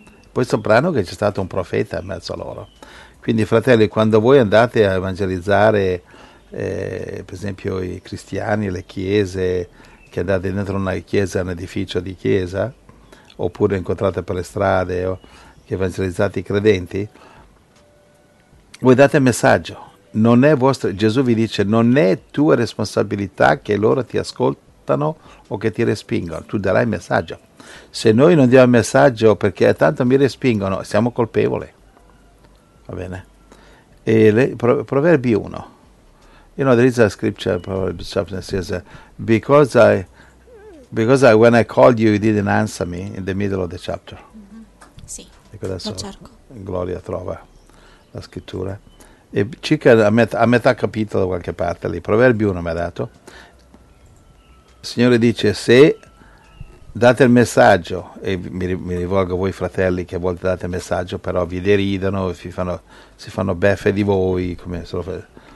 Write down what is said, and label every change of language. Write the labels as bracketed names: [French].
[Italian] Poi soprano che c'è stato un profeta in mezzo a loro. Quindi fratelli, quando voi andate a evangelizzare, per esempio, i cristiani, le chiese, che andate dentro una chiesa, un edificio di chiesa, oppure incontrate per le strade, o che evangelizzate i credenti, voi date un messaggio. Non è vostro, Gesù vi dice, non è tua responsabilità che loro ti ascoltano o che ti respingono, tu darai il messaggio. Se noi non diamo il messaggio perché tanto mi respingono, siamo colpevoli. Va bene? Proverbi 1. [English] You know, there is a scripture, probably something that says, because when I called you, you didn't answer me in the middle of the chapter. [Italian] Sì, Ecco, lo adesso cerco. Gloria trova la scrittura. E circa a metà capitolo, da qualche parte lì, Proverbi 1 mi ha dato. Il Signore dice, se date il messaggio, e mi rivolgo a voi fratelli che a volte date il messaggio, però vi deridono, si fanno beffe di voi, come se lo fa.